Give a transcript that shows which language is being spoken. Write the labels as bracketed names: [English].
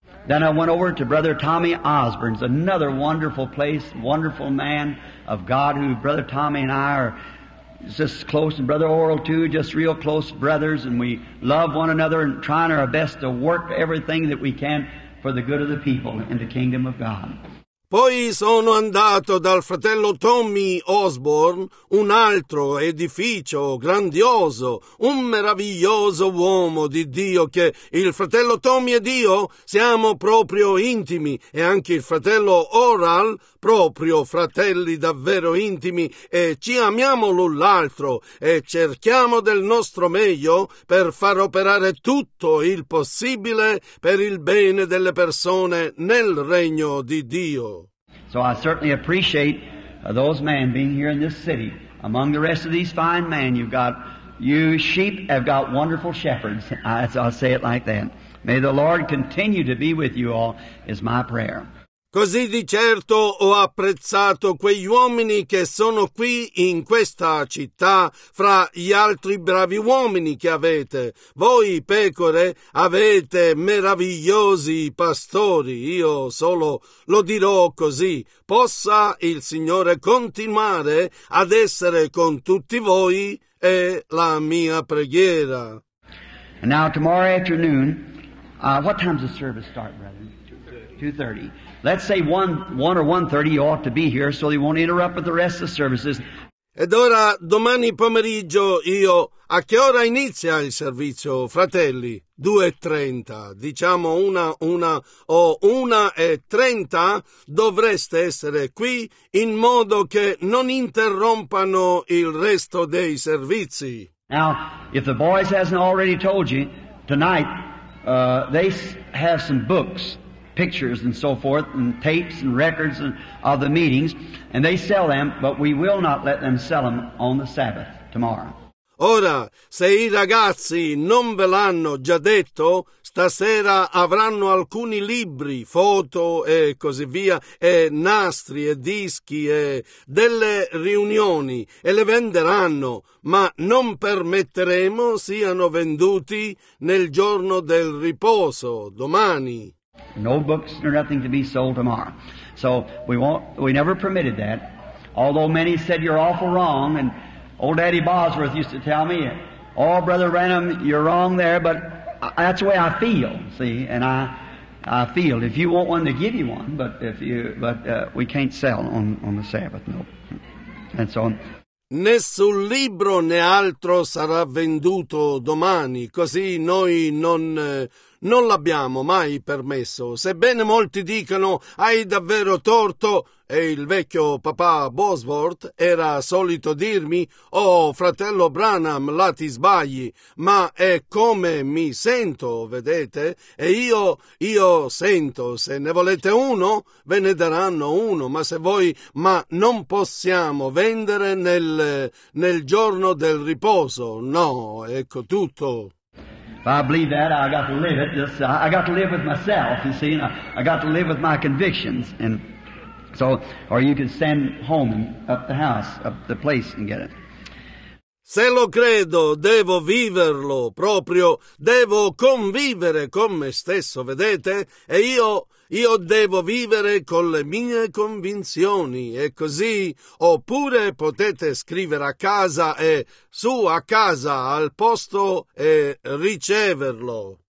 [English] Then I went over to Brother Tommy Osborne's, another wonderful place, wonderful man of God, who Brother Tommy and I are just close, and Brother Oral too, just real close brothers, and we love one another and trying our best to work everything that we can for the good of the people and the kingdom of God. [Italian] Poi sono andato dal fratello Tommy Osborne, un altro edificio grandioso, un meraviglioso uomo di Dio che il fratello Tommy ed io siamo proprio intimi e anche il fratello Oral, proprio fratelli davvero intimi e ci amiamo l'un l'altro e cerchiamo del nostro meglio per far operare tutto il possibile per il bene delle persone nel regno di Dio. [English] So I certainly appreciate those men being here in this city. Among the rest of these fine men, you sheep have got wonderful shepherds. I'll say it like that. May the Lord continue to be with you all is my prayer. [Italian] Così di certo ho apprezzato quegli uomini che sono qui in questa città fra gli altri bravi uomini che avete. Voi, pecore, avete meravigliosi pastori. Io solo lo dirò così. Possa il Signore continuare ad essere con tutti voi è la mia preghiera. [English] Now, tomorrow afternoon, what time does the service start, brother? 2:30. Let's say 1 or 1:30, you ought to be here so they won't interrupt with the rest of the services. [Italian] Ed ora, domani pomeriggio, io, a che ora inizia il servizio, fratelli? 2:30. Diciamo una e trenta, dovreste essere qui in modo che non interrompano il resto dei servizi. [English] Now, if the boys hasn't already told you, tonight, they have some books, pictures and so forth, and tapes and records and of the meetings, and they sell them, but we will not let them sell them on the Sabbath tomorrow. [Italian] Ora, se i ragazzi non ve l'hanno già detto, stasera avranno alcuni libri, foto e così via, e nastri e dischi e delle riunioni, e le venderanno, ma non permetteremo siano venduti nel giorno del riposo, domani. [English] No books or nothing to be sold tomorrow. So we never permitted that. Although many said you're awful wrong, and old Daddy Bosworth used to tell me, "Oh, Brother Branham, you're wrong there, but that's the way I feel, see, and I feel. If you want one, they give you one, but we can't sell on the Sabbath, no." And so on. [Italian] Nessun libro né altro sarà venduto domani, così noi non l'abbiamo mai permesso. Sebbene molti dicano, hai davvero torto, e il vecchio papà Bosworth era solito dirmi, oh fratello Branham, là ti sbagli, ma è come mi sento, vedete? E io sento, se ne volete uno, ve ne daranno uno, ma non possiamo vendere nel giorno del riposo, no, ecco tutto. [English] If I believe that, I got to live it. I got to live with myself, you see, and I got to live with my convictions. And so, or you can send home and up the house, up the place and get it. [Italian] Se lo credo, devo viverlo proprio. Devo convivere con me stesso, vedete? E io devo vivere con le mie convinzioni, e così, oppure potete scrivere a casa e su a casa al posto e riceverlo.